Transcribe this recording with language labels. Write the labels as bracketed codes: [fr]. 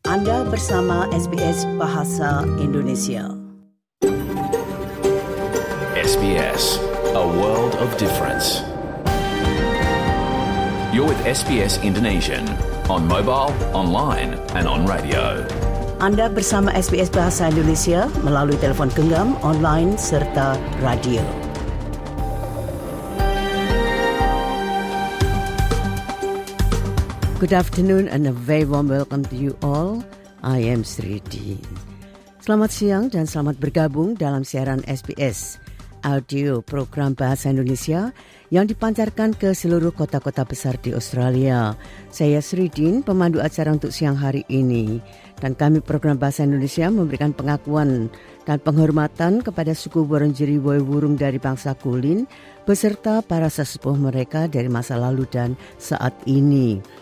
[id] Anda bersama SBS Bahasa Indonesia. [en] SBS, a world of difference. You're with SBS Indonesian on mobile, online, and on radio. [id] Anda bersama SBS Bahasa Indonesia melalui telepon genggam, online, serta radio. [en] Good afternoon and a very warm welcome to you all. I am Sri Dean. [id] Selamat siang dan selamat bergabung dalam siaran SBS Audio Program Bahasa Indonesia yang dipancarkan ke seluruh kota-kota besar di Australia. Saya Sri Dean, pemandu acara untuk siang hari ini. Dan kami Program Bahasa Indonesia memberikan pengakuan dan penghormatan kepada suku Wurundjeri Woi Wurrung dari bangsa Kulin beserta para sesepuh mereka dari masa lalu dan saat ini.